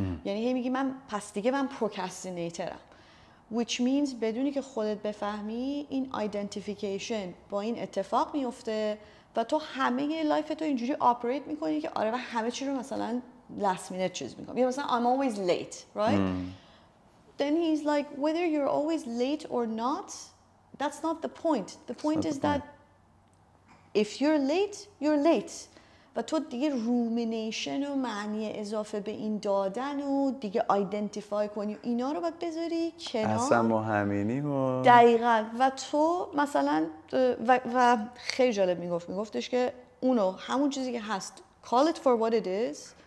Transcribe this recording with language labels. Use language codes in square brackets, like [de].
[fa] یعنی هی میگی من پس دیگه من پروکاستینیترم، [en] which means [fa] بدونی که خودت بفهمی این آیدنتیفیکیشن با این اتفاق میفته و تو همه یه لایفتو اینجوری آپریت میکنی که آره من همه چی رو مثلا [en] last minute [fa] چیز میکنم، یا مثلا [en] I'm always late, right? Then he's like, whether you're always late or not, that's not the point. The point is that if you're late, you're late. [fa] و تو دیگه رومینیشن و معنی اضافه به این دادن و دیگه آیدنتیفای کنی و اینا رو باید بذاری کنار. اصلا مهمینیم و دقیقا. و تو مثلا و خیلی جالب میگفت، میگفتش که اونو همون چیزی که هست [en] call it for what it is.